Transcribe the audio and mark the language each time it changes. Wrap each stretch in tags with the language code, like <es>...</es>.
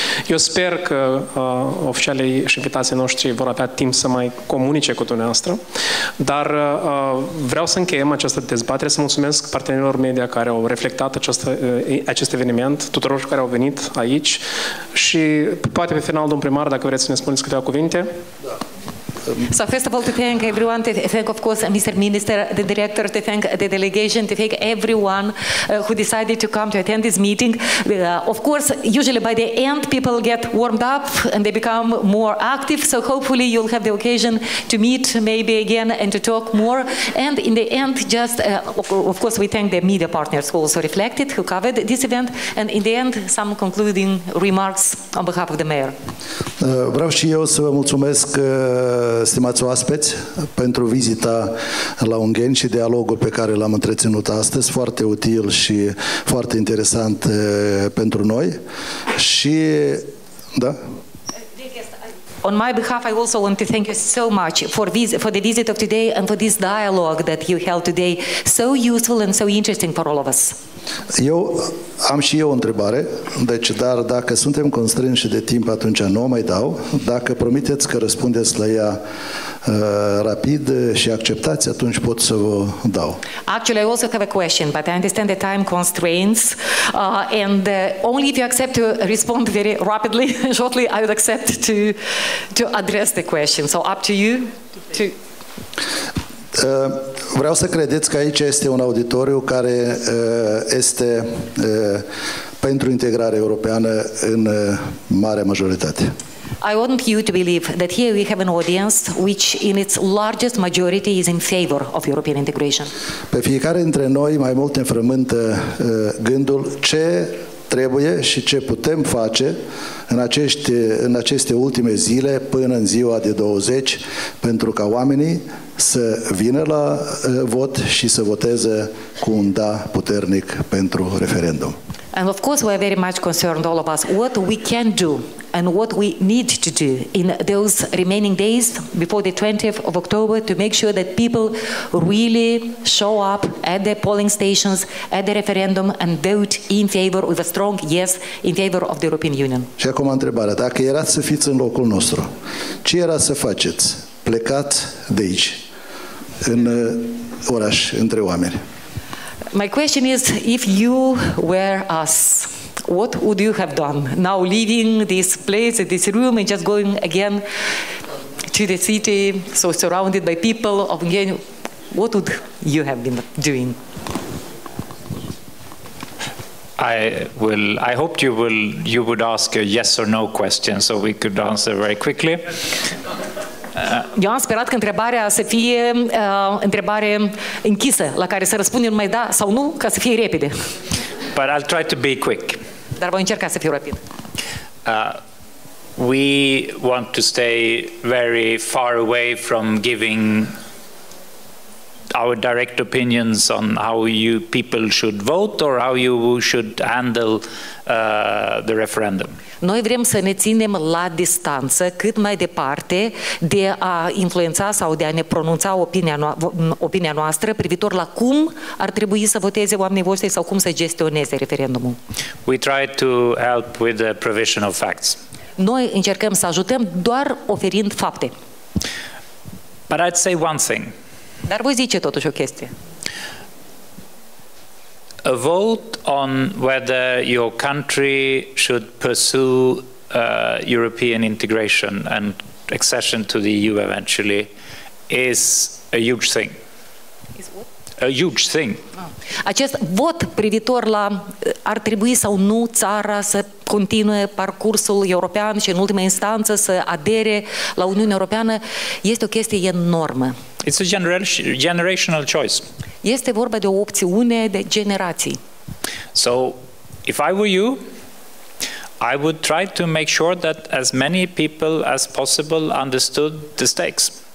<ro>Eu sper că oficialii și invitații noștri vor avea timp să mai comunice cu dumneavoastră, dar vreau să încheiem această dezbatere, să mulțumesc partenerilor media care au reflectat acest eveniment, tuturor care au venit aici și poate pe final, domn primar, dacă vreți să ne spuneți câteva cuvinte. Da.</ro> <en>So first of all, to thank everyone, to thank, of course, Mr. Minister, the director, to thank the delegation, to thank everyone who decided to come to attend this meeting. Of course, usually by the end, people get warmed up and they become more active. So hopefully you'll have the occasion to meet maybe again and to talk more. And in the end, just, of course, we thank the media partners who also reflected, who covered this event. And in the end, some concluding remarks on behalf of the mayor.</en> <ro>Vreau și eu să vă mulțumesc, stimați oaspeți, pentru vizita la Ungheni și dialogul pe care l-am întreținut astăzi, foarte util și foarte interesant pentru noi. Și da.</ro> <en>On my behalf, I also want to thank you so much for the visit of today and for this dialogue that you held today, so useful and so interesting for all of us.</en> <ro>Eu am și eu o întrebare, deci, dar dacă suntem constrânși de timp, atunci nu o mai dau. Dacă promiteți că răspundeți la ea rapid și acceptați, atunci pot să vă dau.</ro> <en>Actually, I also have a question, but I understand the time constraints, and only if you accept to respond very rapidly and shortly, I would accept to address the question. So up to you to...</en> <ro>Vreau să credeți că aici este un auditoriu care este pentru integrare europeană în mare majoritate.</ro> <en>I want you to believe that here we have an audience which in its largest majority is in favor of European integration.</en> <ro>Pe fiecare dintre noi mai mult ne frământă gândul ce trebuie și ce putem face în aceste ultime zile până în ziua de 20 pentru ca oamenii să vină la vot și să voteze cu un da puternic pentru referendum.</ro> <en>And of course we are very much concerned, all of us, what we can do and what we need to do in those remaining days before the 20th of October to make sure that people really show up at the polling stations, at the referendum and vote in favor with a strong yes in favor of the European Union.</en> <ro>Și acum întrebarea, dacă erați să fiți în locul nostru, ce era să faceți? Plecați de aici, în oraș, între oameni.</ro> <en>My question is, if you were us, what would you have done? Now leaving this place, this room, and just going again to the city, so surrounded by people of Ungheni, what would you have been doing? I hoped you would ask a yes or no question so we could answer very quickly.</en> <ro>Eu am sperat că întrebarea să fie întrebare închisă, la care să răspundem numai da sau nu, ca să fie repede.</ro> <en>But I'll try to be quick.</en> <ro>Dar voi încerca să fiu rapid.</ro> <en>We want to stay very far away from giving our direct opinions on how you people should vote or how you should handle the referendum.</en> <ro>Noi vrem să ne ținem la distanță cât mai departe de a influența sau de a ne pronunța opinia noastră privitor la cum ar trebui să voteze oamenii voștri sau cum să gestioneze referendumul.</ro> <en>We try to help with the provision of facts.</en> <ro>Noi încercăm să ajutăm doar oferind fapte.</ro> <en>But I'd say one thing.</en> <ro>Dar voi zice totuși o chestie.</ro> <en>A vote on whether your country should pursue European integration and accession to the EU eventually is a huge thing. A huge thing.</en> <ro>Acest vot privitor la ar trebui sau nu țara să continue parcursul european și în ultima instanță să adere la Uniunea Europeană este o chestie enormă.</ro> <en>It's a generational choice.</en> <ro>Este vorba de o opțiune de generații.</ro> <en>So, if I were you, I would try to make sure that as many people as possible understood the stakes.</en>